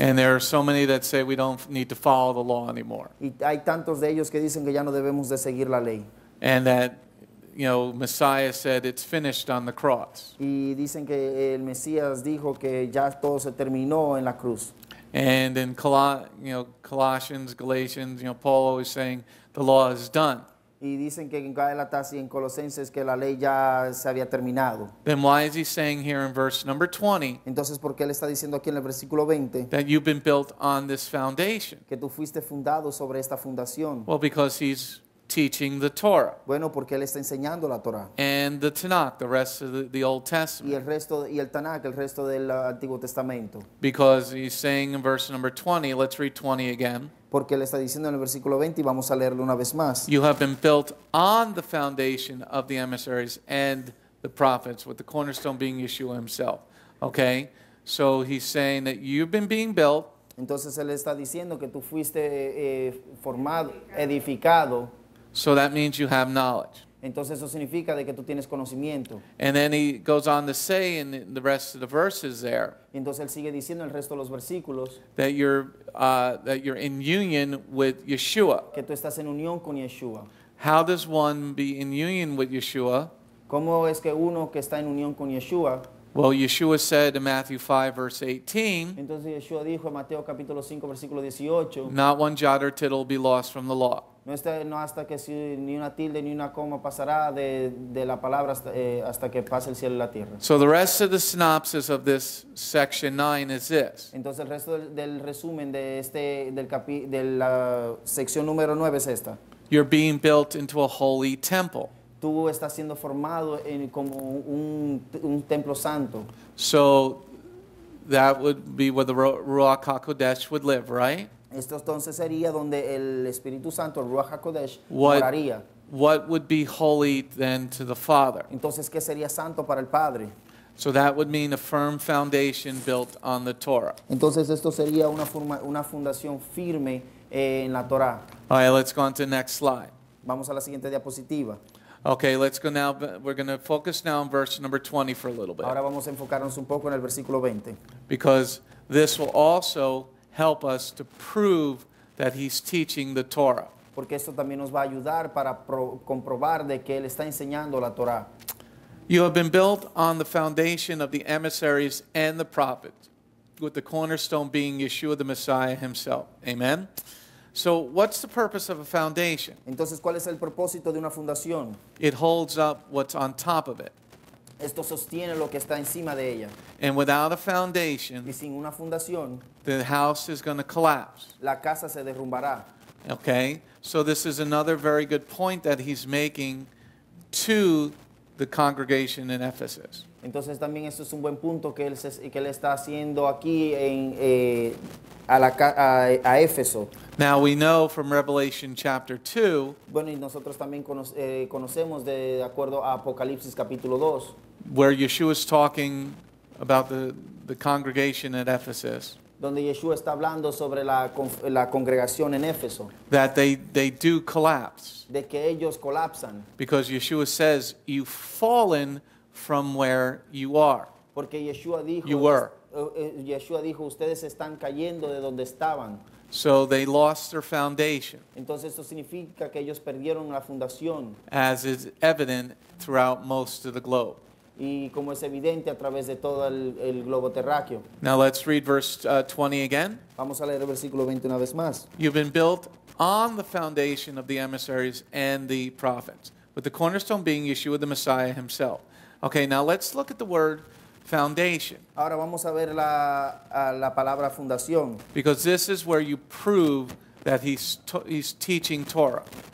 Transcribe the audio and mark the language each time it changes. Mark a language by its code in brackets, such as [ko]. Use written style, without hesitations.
[en] And there are so many that say we don't need to follow the law anymore. [es] Y hay tantos de ellos que dicen que ya no debemos de seguir la ley. [en] And that, you know, Messiah said it's finished on the cross. [es] Y dicen que el Mesías dijo que ya todo se terminó en la cruz. [en] And in Colossians, Galatians, you know, Paul always saying the law is done. [es] Y dicen que en Gálatas y en Colosenses que la ley ya se había terminado. [en] Then why is he saying here in verse number 20? [es] Entonces, ¿por qué él está diciendo aquí en el versículo 20? [en] That you've been built on this foundation. [es] Que tú fuiste fundado sobre esta fundación. [en] Well, because he's teaching the Torah. [es] Bueno, porque él está enseñando la Torah. [en] And the Tanakh, the rest of the Old Testament. [es] Y el resto, y el Tanakh, el resto del Antiguo Testamento. [en] Because he's saying in verse number 20, let's read 20 again. [es] Porque él está diciendo en el versículo 20, y vamos a leerlo una vez más. [en] You have been built on the foundation of the emissaries and the prophets, with the cornerstone being Yeshua himself. Okay? So he's saying that you've been being built. [es] Entonces él está diciendo que tú fuiste formado, edificado. [en] So that means you have knowledge. [es] Entonces eso significa de que tú tienes conocimiento. [en] And then he goes on to say in the rest of the verses there. [es] Entonces él sigue diciendo el resto de los versículos. [en] That you're in union with Yeshua. [es] Que tú estás en unión con Yeshua. [en] How does one be in union with Yeshua? [es] ¿Cómo es que uno que está en unión con Yeshua? [en] Well, Yeshua said in Matthew 5, verse 18, [es] entonces Yeshua dijo en Mateo capítulo 5, versículo 18, [en] not one jot or tittle be lost from the law. [es] No está, no hasta que si, ni una tilde ni una coma pasará de la palabra hasta, hasta que pase el cielo y la tierra. [en] So the rest of the synopsis of this section 9 is this. [es] Entonces el resto del resumen de este del capi, de la sección número 9 es esta. [en] You're being built into a holy temple. [es] Tú estás siendo formado en como un templo santo. [en] So that would be where the Ruach HaKodesh would live, right? [es] Esto entonces sería donde el Espíritu Santo, el Ruach HaKodesh, moraría. [en] What would be holy then to the Father? [es] Entonces, ¿qué sería santo para el Padre? [en] So that would mean a firm foundation built on the Torah. [es] Entonces, esto sería una fundación firme en la Torah. [en] All right, let's go on to the next slide. [es] Vamos a la siguiente diapositiva. [en] Okay, let's go now. We're going to focus now on verse number 20 for a little bit. [es] Ahora vamos a enfocarnos un poco en el versículo 20. [en] Because this will also help us to prove that he's teaching the Torah. [es] Porque esto también nos va a ayudar para comprobar de que él está enseñando la Torah. [en] You have been built on the foundation of the emissaries and the prophets, with the cornerstone being Yeshua the Messiah himself. Amen. So what's the purpose of a foundation? [es] Entonces, ¿cuál es el propósito de una fundación? [en] It holds up what's on top of it. [es] Esto sostiene lo que está encima de ella. [en] And without a foundation, [es] y sin una fundación, [en] the house is going to collapse. [es] La casa se derrumbará. [en] Okay? So this is another very good point that he's making to the congregation in Ephesus. [es] Entonces, también esto es un buen punto que él está haciendo aquí en a Éfeso. [en] Now we know from Revelation chapter 2. [es] Bueno, y nosotros también conocemos de acuerdo a Apocalipsis capítulo 2. [en] Where Yeshua is talking about the congregation at Ephesus. [es] Donde Yeshua está hablando sobre la congregación en Éfeso. [en] That they do collapse. [es] De que ellos colapsan. [en] Because Yeshua says, you've fallen from where you are. [es] Porque Yeshua dijo, [en] you were. [es] Yeshua dijo, ustedes están cayendo de donde estaban. [en] So they lost their foundation. [es] Entonces esto significa que ellos perdieron la fundación. [en] As is evident throughout most of the globe. [es] Y como es evidente a través de todo el globo terráqueo. [en] Now let's read verse 20 again. [es] Vamos a leer el versículo 20 una vez más. [en] You've been built on the foundation of the emissaries and the prophets, with the cornerstone being Yeshua the Messiah himself. Okay, now let's look at the word foundation. [es] Ahora vamos a ver la palabra fundación. [en] Because this is where you prove that he's teaching Torah.